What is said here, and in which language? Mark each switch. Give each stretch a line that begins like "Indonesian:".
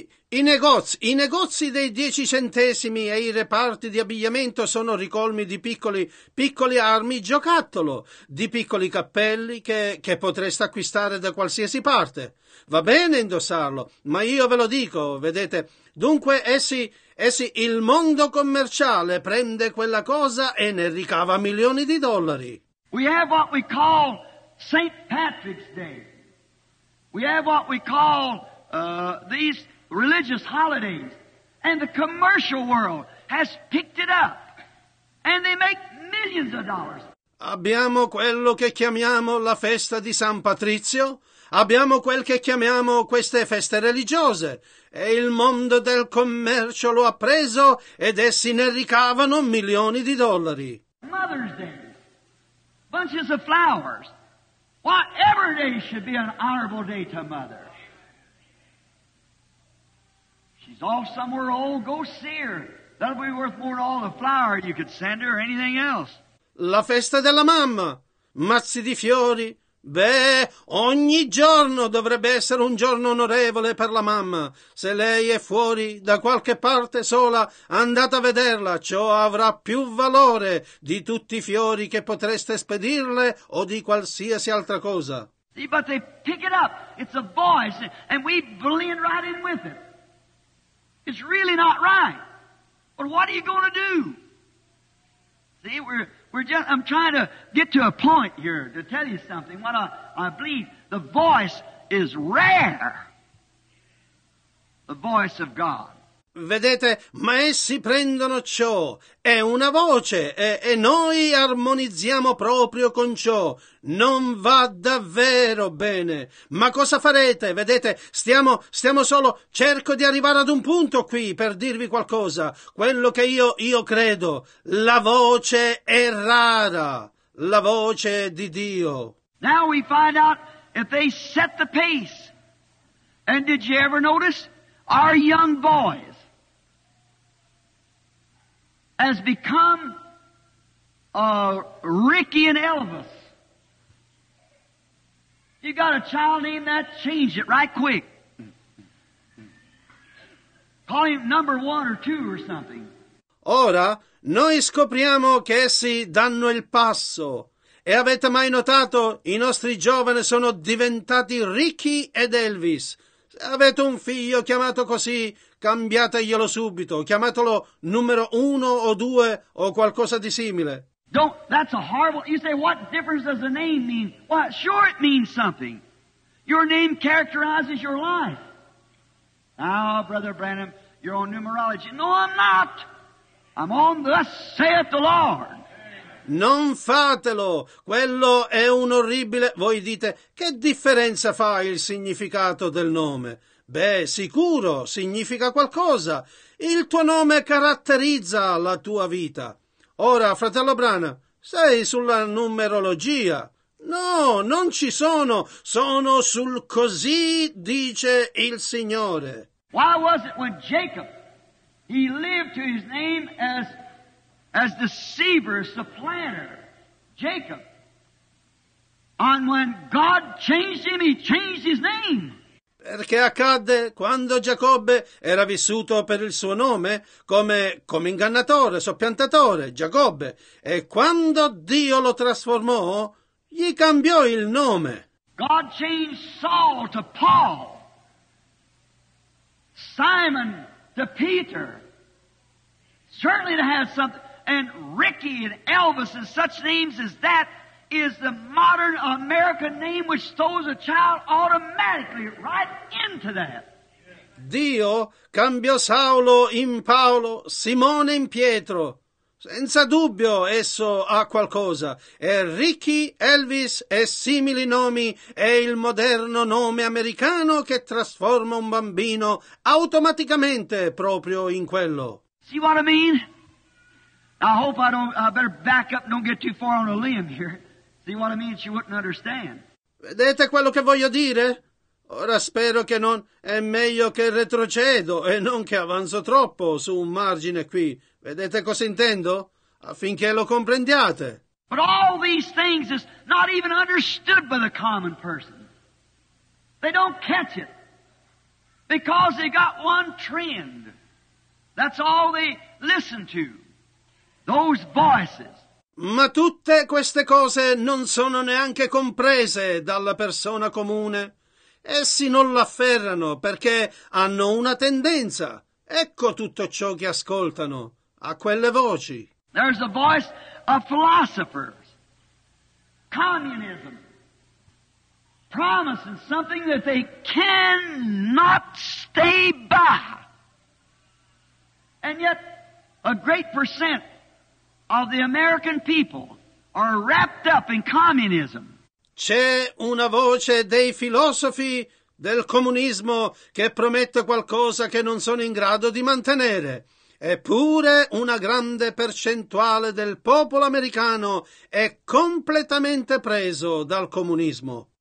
Italian: I negozi dei 10 centesimi e i reparti di abbigliamento sono ricolmi di piccoli armi giocattolo, di piccoli cappelli che potreste acquistare da qualsiasi parte. Va bene indossarlo, ma io ve lo dico, vedete, dunque essi il mondo commerciale prende quella cosa e ne ricava milioni di dollari.
English: We have what we call St. Patrick's Day. We have what we call these religious holidays. And the commercial world has picked it up. And they make millions of dollars.
Italian: Abbiamo quello che chiamiamo la festa di San Patrizio. Abbiamo quel che chiamiamo queste feste religiose. E il mondo del commercio lo ha preso ed essi ne ricavano milioni di dollari.
English: Mother's Day. Bunches of flowers. Whatever day should be an honorable day to mother. She's off somewhere old, go see her. That'll be worth more than all the flower you could send her or anything else.
Italian: La festa della mamma. Mazzi di fiori. Beh, ogni giorno dovrebbe essere un giorno onorevole per la mamma. Se lei è fuori, da qualche parte sola, andate a vederla, ciò avrà più valore di tutti i fiori che potreste spedirle o di qualsiasi altra cosa.
English: See, but they pick it up. It's a voice, and we blend right in with it. It's really not right. But what are you going to do? See, I'm trying to get to a point here to tell you something. What I believe, the voice is rare. The voice of God.
Italian: Vedete, ma essi prendono ciò, è una voce, e noi armonizziamo proprio con ciò. Non va davvero bene. Ma cosa farete? Vedete, stiamo solo, cerco di arrivare ad un punto qui per dirvi qualcosa. Quello che io credo, la voce è rara, la voce di Dio.
English: Now we find out if they set the pace. And did you ever notice our young boys? Has become Ricky and Elvis. You got a child named that, change it right quick. Call him number one or two or something.
Italian: Ora, noi scopriamo che essi danno il passo. E avete mai notato? I nostri giovani sono diventati Ricky ed Elvis. Se avete un figlio chiamato così, cambiateglielo subito, chiamatelo numero uno o due o qualcosa di simile.
English: Don't, that's a horrible, you say, what difference does the name mean? Well, sure it means something. Your name characterizes your life. Now, Brother Branham, you're on numerology. No, I'm not. I'm on Thus Saith the Lord.
Italian: Non fatelo, quello è un orribile, voi dite, che differenza fa il significato del nome? Beh, sicuro, significa qualcosa. Il tuo nome caratterizza la tua vita. Ora, fratello Brana, sei sulla numerologia? No, non ci sono. Sono sul così, dice il Signore.
English: Why was it when Jacob, he lived to his name as deceiver, supplanter, Jacob? And when God changed him, he changed his name.
Italian: Perché accadde quando Giacobbe era vissuto per il suo nome come ingannatore, soppiantatore, Giacobbe, e quando Dio lo trasformò, gli cambiò il nome.
English: God changed Saul to Paul, Simon to Peter. Certainly to have something, and Ricky and Elvis and such names as that. Is the modern American name which throws a child automatically right into that.
Italian: Dio cambiò Saulo in Paolo, Simone in Pietro. Senza dubbio esso ha qualcosa. E Ricky, Elvis e simili nomi è il moderno nome americano che trasforma un bambino automaticamente proprio in quello.
English: See what I mean? I hope I don't, I better back up and don't get too far on a limb here. See what I mean? She wouldn't understand.
Italian: Vedete quello che voglio dire? Ora spero che non è meglio che retrocedo e non che avanzo troppo su un margine qui. Vedete cosa intendo? Affinché lo comprendiate.
English: But all these things is not even understood by the common person. They don't catch it. Because they got one trend. That's all they listen to. Those voices.
Italian: Ma tutte queste cose non sono neanche comprese dalla persona comune. Essi non l'afferrano perché hanno una tendenza. Ecco tutto ciò che ascoltano, a quelle voci.
English: There's a voice of philosophers, communism, promising something that they cannot stay by. And yet, a great percent of the American people are wrapped up in communism.
Italian: C'è una voce dei filosofi del comunismo che promette qualcosa che non sono in grado di mantenere. Eppure una grande percentuale del popolo americano è completamente preso dal comunismo.